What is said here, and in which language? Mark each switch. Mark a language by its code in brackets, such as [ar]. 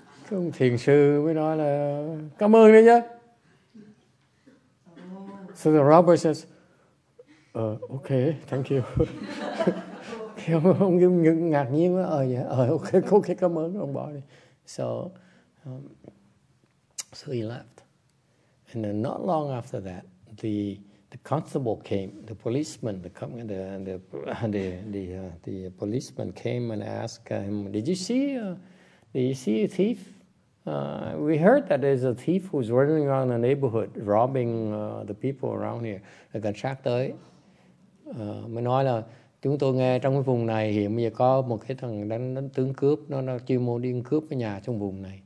[vi] Ông thiền sư mới nói là cảm ơn đấy chứ. [en] So the robber says, "Okay, thank you." [vi] Ông ngạc nhiên quá, okay, cảm ơn, ông bỏ đi. [en] So he left. And then not long after that, the constable came, the policeman came and asked him, "Did you see a thief? We heard that there's a thief who's running around the neighborhood, robbing the people around here." [vi] Cảnh sát tới, mới nói là, "Chúng tôi nghe trong cái vùng này hiện bây giờ có một cái thằng đánh tướng cướp, nó chuyên môn đi cướp cái nhà trong vùng này.